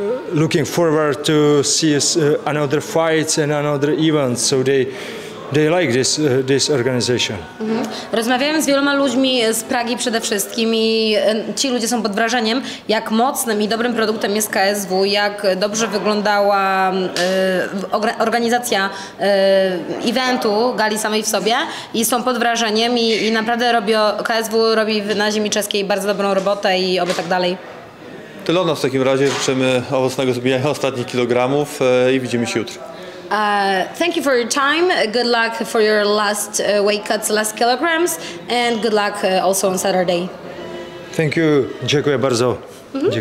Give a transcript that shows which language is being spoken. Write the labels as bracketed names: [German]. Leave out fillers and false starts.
[English] Looking forward to see another fights and another events, so they like this organization. Mm-hmm. [Polish] Rozmawiałem z wieloma ludźmi z Pragi przede wszystkim i ci ludzie są pod wrażeniem, jak mocnym i dobrym produktem jest KSW, jak dobrze wyglądała organizacja eventu, gali samej w sobie i są pod wrażeniem i naprawdę KSW robi na ziemi czeskiej bardzo dobrą robotę i oby tak dalej. Tyle o nas w takim razie. Życzymy owocnego zbijania ostatnich kilogramów i widzimy się jutro. [English] Thank you for your time. Good luck for your last weight cuts, last kilograms. And good luck also on Saturday. Thank you. [Polish] Dziękuję bardzo. [English] Mm-hmm.